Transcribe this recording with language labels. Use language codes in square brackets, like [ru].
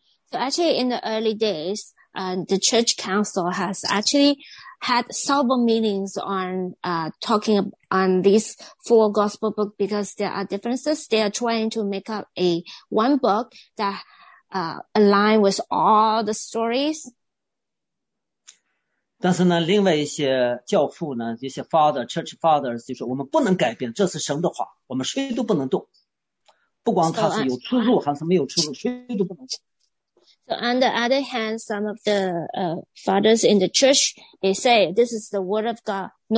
[en] So actually in the early days, the church council has actually had several meetings on talking on these four gospel books because there are differences. They are trying to make up a one book that align with all the stories. [zh] 但是呢，另外一些教父呢，一些 [en] father, church fathers [zh] 就说我们不能改变，这是神的话，我们谁都不能动。不管他是有出入还是没有出入，谁都不能动。 [en] So on the other hand, some of the fathers in the church, they say this is the word of God.